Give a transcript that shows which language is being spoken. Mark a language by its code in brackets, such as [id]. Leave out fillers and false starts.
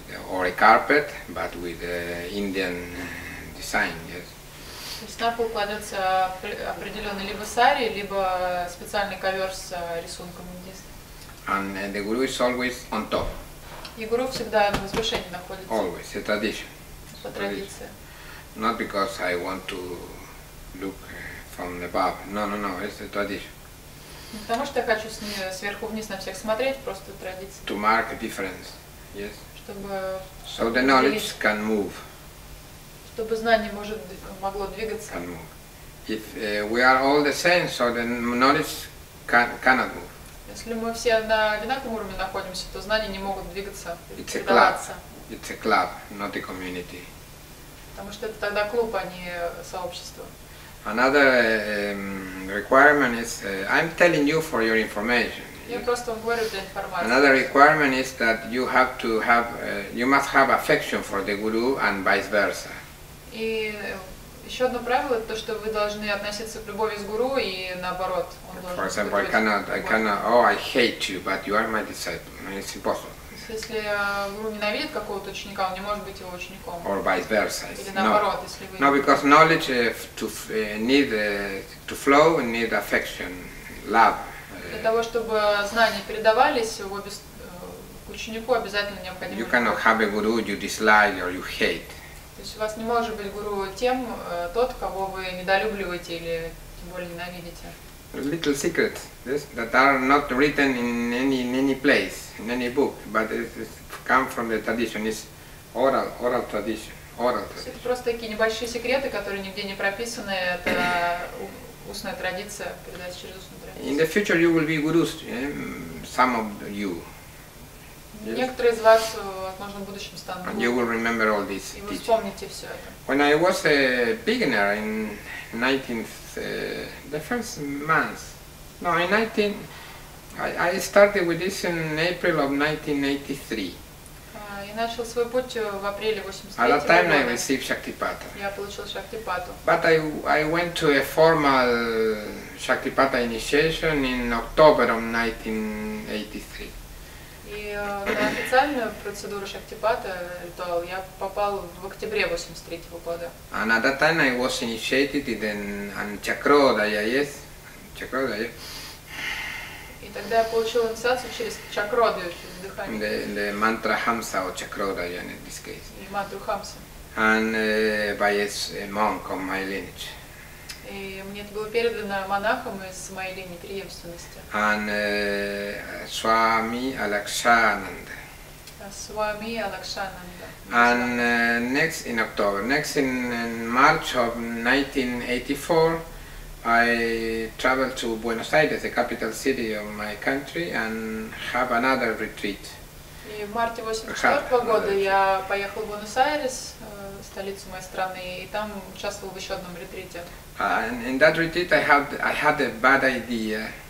[en] Or a carpet, but with Indian design, yes. [ru] То есть на пол кладется определенный либо сари, либо специальный ковер с рисунком индийским. [en] And the guru is always on top. [ru] И гуру всегда на возвышении находится. [en] Always, a tradition. [ru] по традиции. [en] Not because I want to look from above. No, it's a tradition. [ru] Не потому что я хочу сверху вниз на всех смотреть, просто традиция. [en] To mark a difference, yes. [ru] Чтобы. [en] So the knowledge can move. [ru] Чтобы знание может могло двигаться. [en] Can move. If we are all the same, so the knowledge cannot move. [ru] Если мы все на одинаковом уровне находимся, то знания не могут двигаться, [en] It's [ru] передаваться. [en] It's a club, not a community. [ru] Потому что это тогда клуб, а не сообщество. [en] Another requirement is I'm telling you for your information. [ru] Я просто вам говорю для информации. [en] Another requirement is that you have to have you must have affection for the guru and vice versa. [ru] И еще одно правило то, что вы должны относиться с любовью к гуру и наоборот. [en] For example, I cannot. Oh, I hate you, but you are my disciple. It's impossible. [ru] Если гуру ненавидит какого-то ученика, он не может быть его учеником. [en] Or vice versa. [ru] Или наоборот, если вы. [en] No, because knowledge to flow need affection, love. [ru] Для того чтобы знания передавались в обе к ученику обязательно необходимо. [en] You cannot have a guru you dislike or you hate. [ru] То есть у вас не может быть гуру тем тот, кого вы недолюбливаете или тем более ненавидите. [en] Little secret, yes, that are not written in any place, in any book, but it come from the tradition, it's oral tradition, oral tradition. [ru] Это просто такие небольшие секреты, которые нигде не прописаны, это устная традиция, передается через устную традицию. [en] In the future you will be gurus, some of you. Yes. [ru] Некоторые из вас, возможно, в будущем станут. [en] And you will remember all this. [ru] И вы вспомните все это. [en] When I was a beginner in 19th the first months. No, in 19 I started with this in April of 1983. [ru] Я начал свой путь в апреле [en] 83. At that time I received Shaktipata. [ru] Я получил Шактипату. [en] But I went to a formal Shaktipata initiation in October of 1983. [ru] И на официальную процедуру Шактипата ритуал я попал в октябре 83 года. [en] And at that time I was initiated in Chakrodaya, yes. Chakrodaya. [ru] И тогда я получил инициацию через чакроды, через дыхание. [en] The mantra Hamsa or Chakrodaya in this case. [ru] И мантру Хамса. [en] And by a monk of my lineage. [ru] И мне это было передано монахом из моей линии преемственности. [en] And Swami Alakshananda. Swami Alakshananda. And next in October, next in March of 1984, I traveled to Buenos Aires, the capital city of my country, and have another retreat. [ru] И в марте 84 года я поехал в Буэнос-Айрес, столицу моей страны, и там участвовал в еще одном ретрите. [en] And in that retreat I had a bad idea.